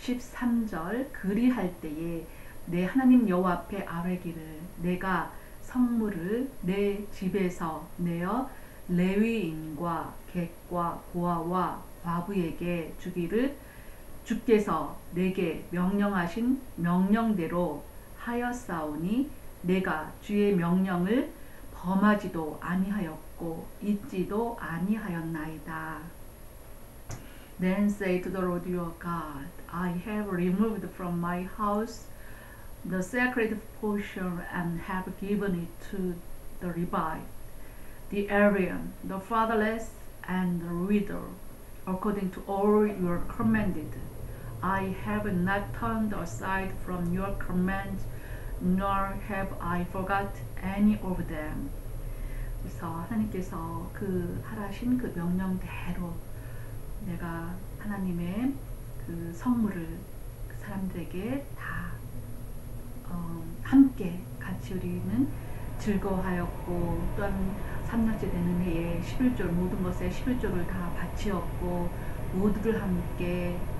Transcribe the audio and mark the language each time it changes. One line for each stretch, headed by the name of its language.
Korean: 13절, 그리할 때에 내 하나님 여호와 앞에 아뢰기를, 내가 성물을 내 집에서 내어 레위인과 객과 고아와 과부에게 주기를 주께서 내게 명령하신 명령대로 하였사오니, 내가 주의 명령을 범하지도 아니하였고 잊지도 아니하였나이다.
English: Then say to the Lord your God, I have removed from my house the sacred portion and have given it to the Levite, the alien, the fatherless, and the widow, according to all your commanded. I have not turned aside from your command, nor have I forgot any of them.
Korean: 그래서 하나님께서 그 하라신 그 명령대로 내가 하나님의 그 성물을 사람들에게 다 함께 같이 우리는 즐거워하였고, 또한 삼낙제 되는 해에 십일조를, 모든 것에 십일조를 다 바치었고, 모두들 함께